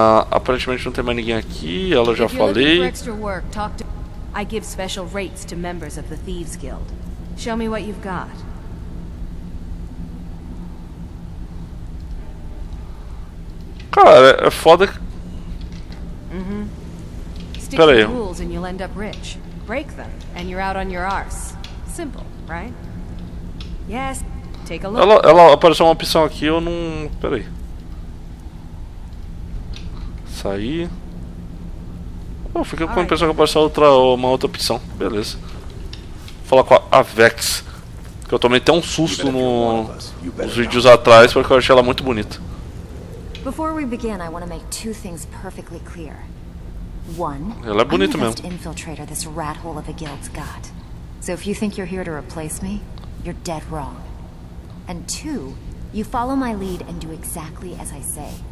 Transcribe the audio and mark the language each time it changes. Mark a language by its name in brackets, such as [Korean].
[Portuguese] Aparentemente não tem mais ninguém aqui, ela já falei. [English] I give special rates to members of the Thieves Guild. Show me what you've got. [Portuguese] Cara, é foda. Mm-hmm. [English] Stick rules and you'll end up rich. Break them and you're out on your arse. Simple, right? Yes. Take a look. [Portuguese] Ela apareceu uma opção aqui, eu não. Peraí. Sair. Oh, fiquei com a impressão que apareceu uma outra opção. Beleza. Vou falar com a Vex. Que eu tomei até um susto nos vídeos atrás, porque eu achei ela muito bonita. [English] Before we begin, I want to make two things perfectly clear. One, [Portuguese] ela é bonita [English] I'm [Portuguese] mesmo. [English] The best infiltrator this rat hole of a guild's got. So if you think you're here to replace me, you're dead wrong. And two, you follow my lead and do exactly as I say.